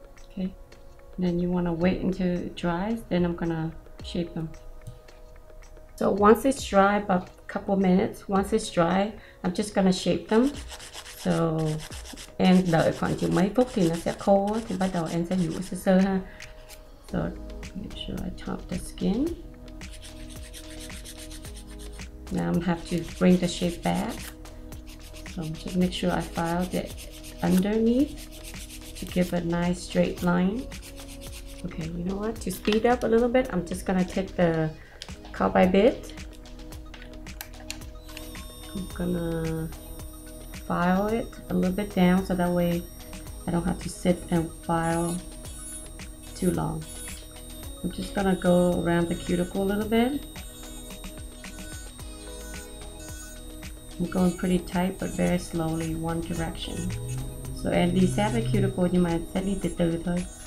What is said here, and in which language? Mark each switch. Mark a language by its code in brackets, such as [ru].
[en] Okay, then you want to wait until it dries, then I'm gonna shape them. So once it's dry, about a couple minutes, once it's dry, I'm just gonna shape them. [vi] So, and đợi khoảng chừng mấy phút thì nó sẽ khô, thì bắt đầu em sẽ nhúng sơ sơ ha. [en] So, make sure I top the skin. Now I'm have to bring the shape back. So just make sure I file it underneath to give a nice straight line. Okay, you know what? To speed up a little bit, I'm just gonna take the carbide bit. I'm gonna file it a little bit down so that way I don't have to sit and file too long. I'm just gonna go around the cuticle a little bit. I'm going pretty tight but very slowly, one direction. [vi] So and đi xé cái cuticle nhưng mà sẽ đi từ từ thôi.